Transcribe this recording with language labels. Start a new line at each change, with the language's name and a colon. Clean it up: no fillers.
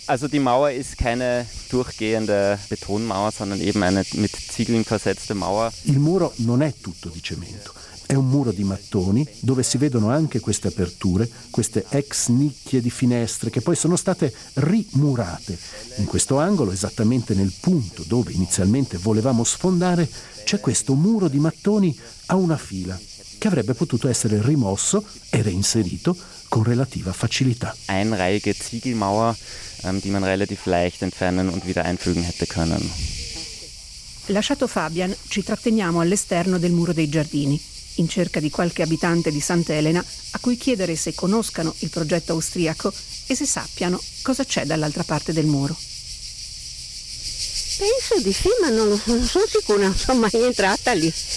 German: Also die Mauer ist keine durchgehende Betonmauer, sondern eben eine mit Ziegeln versetzte Mauer.
Italian: Il muro non è tutto di cemento. È un muro di mattoni dove si vedono anche queste aperture, queste ex nicchie di finestre che poi sono state rimurate. In questo angolo, esattamente nel punto dove inizialmente volevamo sfondare, c'è questo muro di mattoni a una fila che avrebbe potuto essere rimosso e reinserito con relativa facilità.
German: Einreihige Ziegelmauer, die man relativ leicht entfernen und wieder einfügen hätte können.
Italian: Lasciato Fabian, ci tratteniamo all'esterno del muro dei giardini, in cerca di qualche abitante di Sant'Elena a cui chiedere se conoscano il progetto austriaco e se sappiano cosa c'è dall'altra parte del muro. Penso di sì, ma non sono sicura, non sono mai entrata lì.